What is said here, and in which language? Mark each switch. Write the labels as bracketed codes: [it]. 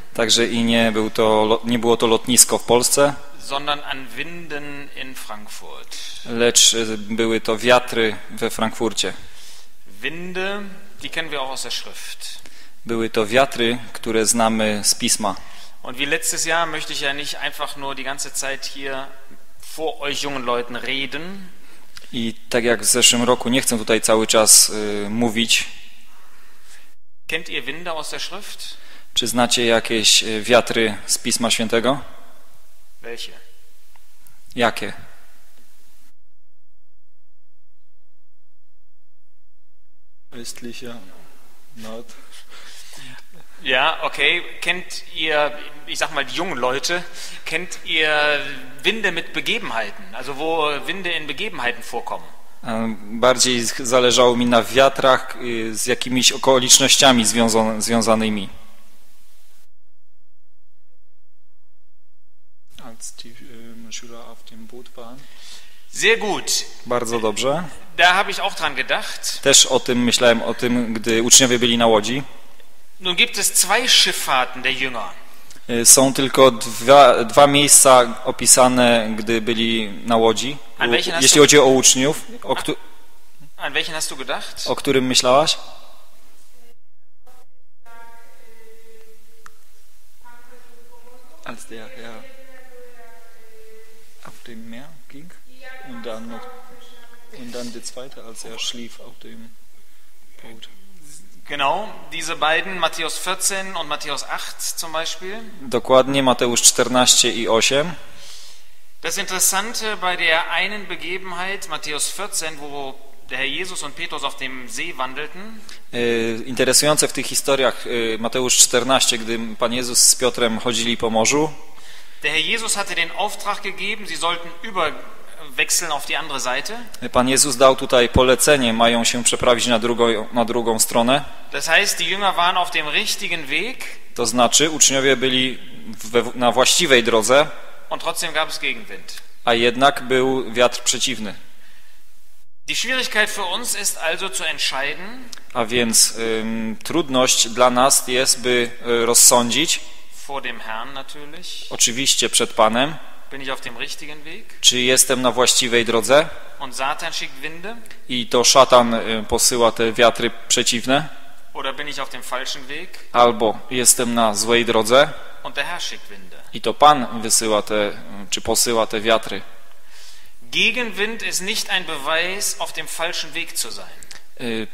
[pl] Także i nie było to lotnisko w Polsce. [de] Sondern an Winden in Frankfurt. [pl] Lecz były to wiatry we Frankfurcie. [de] Winde, die kennen wir auch aus der Schrift. [pl] Były to wiatry, które znamy z pisma. [de] Und wie letztes Jahr möchte ich ja nicht einfach nur die ganze Zeit hier vor euch jungen Leuten reden. [pl] I tak jak w zeszłym roku nie chcę tutaj cały czas mówić. [de] Kennt ihr Winde aus der Schrift? [pl] Czy znacie jakieś wiatry z Pisma Świętego? [de] Welche? [pl] Jakie? [de] Östlicher Nord. Ja, okay. Kennt ihr, ich sag mal die jungen Leute, kennt ihr Winde mit Begebenheiten? Also wo Winde in Begebenheiten vorkommen? [pl] Bardziej zależało mi na wiatrach z jakimiś okolicznościami związanymi. [de] Als die Schüler auf dem Boot waren. Sehr gut. [pl] Bardzo dobrze. [de] Da habe ich auch dran gedacht. [pl] Też o tym myślałem, o tym, gdy uczniowie byli na łodzi. [de] Nun gibt es zwei Schifffahrten der Jünger. [pl] Są tylko dwa miejsca opisane, gdy byli na łodzi. Jeśli chodzi o uczniów, [de] an welchen hast du gedacht? [pl] O którym myślałaś? [de] Als der Herr auf dem Meer ging und dann noch und dann der zweite, als er schlief auf dem Boot. Genau, diese beiden, Matthäus 14 und Matthäus 8 zum Beispiel. [pl] Dokładnie, Mateusz 14 i 8. [de] Das Interessante bei der einen Begebenheit, Matthäus 14, wo der Herr Jesus und Petrus auf dem See wandelten. [pl] Interesujące w tych historiach, Mateusz 14, gdy Pan Jezus z Piotrem chodzili po morzu. [de] Der Herr Jesus hatte den Auftrag gegeben, sie sollten wechseln auf die andere Seite. [pl] Pan Jezus dał tutaj polecenie, mają się przeprawić na drugą stronę. [de] Das heißt, die Jünger waren auf dem richtigen Weg. [pl] To znaczy, uczniowie byli na właściwej drodze. [de] Und trotzdem gab es Gegenwind. [pl] A jednak był wiatr przeciwny. [de] Die Schwierigkeit für uns ist also zu entscheiden. [pl] A więc trudność dla nas jest, by rozsądzić. [de] Vor dem Herrn natürlich. [pl] Oczywiście przed Panem. [de] Bin ich auf dem richtigen Weg? [pl] Czy jestem na właściwej drodze? [de] Und Satan schickt Winde? [pl] I to szatan posyła te wiatry przeciwne? [de] Oder bin ich auf dem falschen Weg? [pl] Albo jestem na złej drodze? [de] Und der Herr schickt Winde. [pl] I to Pan wysyła te, czy posyła te wiatry? [de] Gegenwind ist nicht ein Beweis, auf dem falschen Weg zu sein.